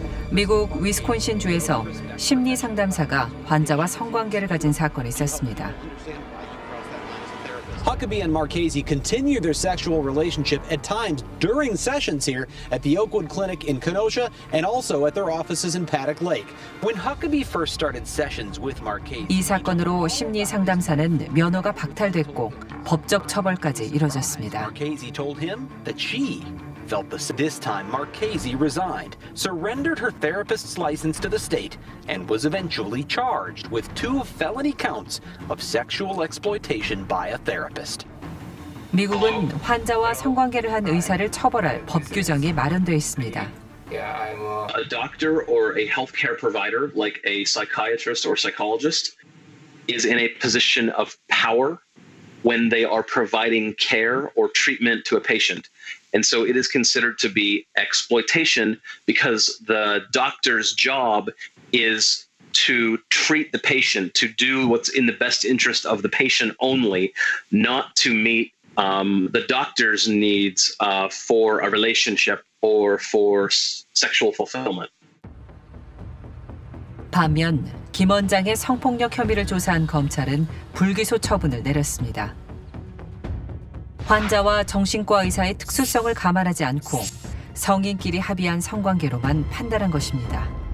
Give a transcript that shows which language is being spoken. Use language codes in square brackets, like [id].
[ko] 미국 위스콘신 주에서 심리 상담사가 환자와 성관계를 가진 사건이 있었습니다. [en] Huckabee and Marchese continue their sexual relationship at times during sessions here at the Oakwood Clinic in Kenosha and also at their offices in Paddock Lake. When Huckabee first started sessions with Marchese, [ko] 이 사건으로 심리 상담사는 면허가 박탈됐고 법적 처벌까지 이뤄졌습니다. [en] Marchese told him that she felt this. This time, Marchese resigned, surrendered her therapist's license to the state, and was eventually charged with two felony counts of sexual exploitation by a therapist. [ko] 미국은 환자와 성관계를 한 의사를 처벌할 법 규정이 마련되어 있습니다. [en] A doctor or a healthcare provider, like a psychiatrist or psychologist, is in a position of power when they are providing care or treatment to a patient. And so it is considered to be exploitation because the doctor's job is to treat the patient, to do what's in the best interest of the patient only, not to meet the doctor's needs for a relationship or for sexual fulfillment. [ko] 반면 김 원장의 성폭력 혐의를 조사한 검찰은 불기소 처분을 내렸습니다. 환자와 정신과 의사의 특수성을 감안하지 않고 성인끼리 합의한 성관계로만 판단한 것입니다.